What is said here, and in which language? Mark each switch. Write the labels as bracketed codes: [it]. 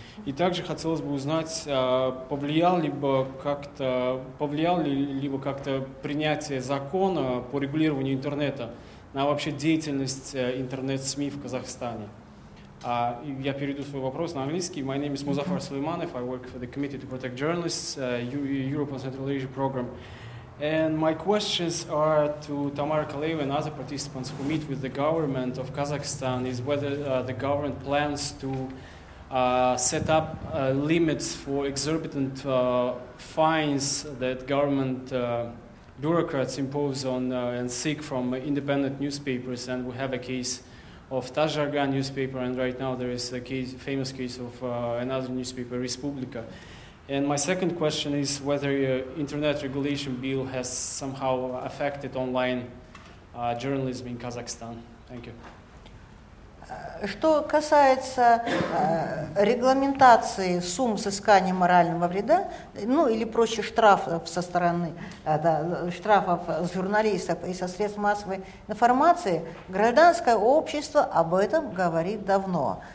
[ru] И также хотелось бы узнать, повлияло ли либо как-то принятие закона по регулированию интернета на вообще деятельность интернет-СМИ в Казахстане. Я перейду свой вопрос на английский. [en] My name is Muzaffar Sulaymanov. I work for the Committee to Protect Journalists, Europe and Central Asia Program. And my questions are to Tamara Kaleva and other participants who meet with the government of Kazakhstan is whether the government plans to set up limits for exorbitant fines that government bureaucrats impose on and seek from independent newspapers. And we have a case of Tazhargan newspaper, and right now there is a case, famous case of another newspaper, Respublika. And my second question is whether the Internet Regulation Bill has somehow affected online journalism in Kazakhstan. Thank you. [ru] Что касается регламентации сумм взыскания морального вреда, ну или проще штрафов со стороны, да, штрафов с журналистов и со средств массовой информации, гражданское общество об этом говорит давно.